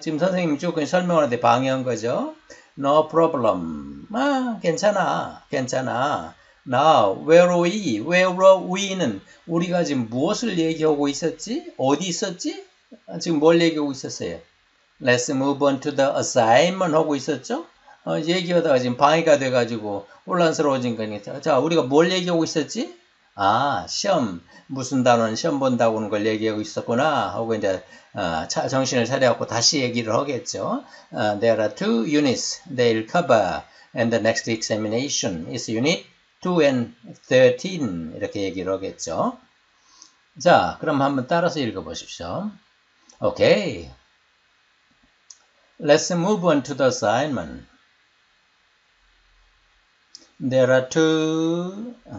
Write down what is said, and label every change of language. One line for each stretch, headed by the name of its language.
Korean: 지금 선생님이 조금 설명하는데 방해한 거죠?
English: No problem.
Korean: 아, 괜찮아. 괜찮아.
English: Now, where were we
Korean: 는 우리가 지금 무엇을 얘기하고 있었지? 어디 있었지? 지금 뭘 얘기하고 있었어요?
English: Let's move on to the assignment
Korean: 하고 있었죠? 얘기하다가 지금 방해가 돼가지고 혼란스러워진 거니까. 자, 우리가 뭘 얘기하고 있었지? 아, 시험. 무슨 단어는 시험 본다고 하는 걸 얘기하고 있었구나. 하고 이제, 정신을 차려갖고 다시 얘기를 하겠죠.
English: There are two units they'll cover in the next examination. It's unit 2 and 13.
Korean: 이렇게 얘기를 하겠죠. 자, 그럼 한번 따라서 읽어보십시오.
English: Okay. Let's move on to the assignment. There are two.